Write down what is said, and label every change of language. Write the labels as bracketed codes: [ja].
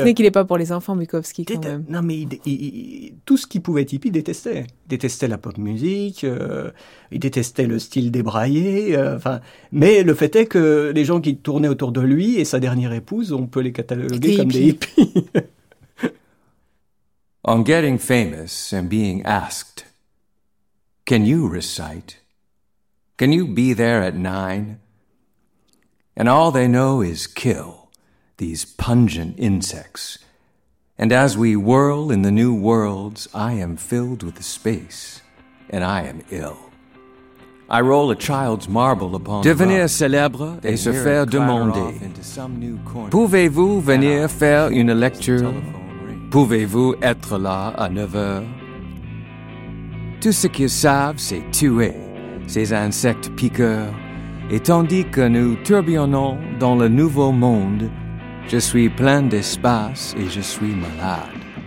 [fr] ce n'est qu'il n'est pas pour les enfants, Bukowski, quand même. Non, mais tout ce qui pouvait être hippie, détestait. Il détestait la pop musique, il détestait le style débraillé. Mais le fait est que les gens qui tournaient autour de lui et sa dernière épouse, on peut les cataloguer comme des hippies. [en] On getting famous and being asked, can you recite? Can you be there at 9? And all they know is kill, these pungent insects. And as we whirl in the new worlds, I am filled with space, and I am ill. I roll a child's marble upon [fr] devenir the célèbre et se faire demander, pouvez-vous venir faire une lecture? Pouvez-vous être là à 9h? Tout ce qu'ils savent, c'est tuer ces insectes piqueurs. Et tandis que nous tourbillonnons dans le nouveau monde, je suis plein d'espace et je suis malade.